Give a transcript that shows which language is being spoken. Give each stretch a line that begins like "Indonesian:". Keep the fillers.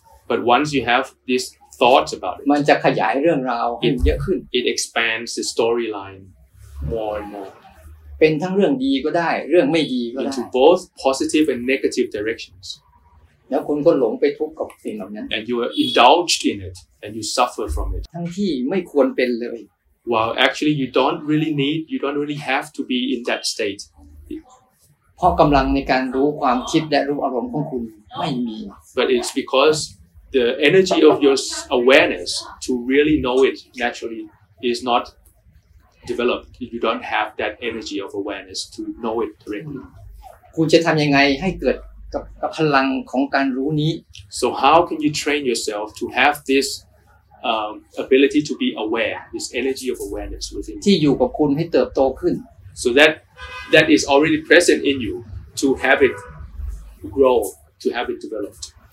English: but once you have this thoughts about it
Thai: มันจะขย ายเรื่องราว เยอะขึ้น
English: it expands the storyline more and more
Thai: เป็นทั้งเรื่องดีก็ได้เรื่องไม่ดีก็ได้
English: into both positive and negative directions
Thai: แล้วคุณก็หลงไปทุกข์กับสิ่งเหล่านั้น
English: and you are indulged in it and you suffer from it
Thai: ทั้งที่ไม่ควรเป็นเลย
English: well actually you don't really need you don't really have to be in that state
Thai: พราะกำลังในการรู้ความคิดและรู้อารมณ์ของคุณ ไม่มี
English: but it's because the energy of your awareness to really know it naturally is not developed you don't have that energy of awareness to know it d i r e c t l y
Thai: คุณจะทำยังไงให้ เกิดกับพลังของการรู้นี้
English: so how can you train yourself to have this um, ability to be aware this energy of awareness within
Thai: ที่อยู่กับคุณให้เติบโตขึ้น
English: So that that is already present in you to have it grow, to have it developed.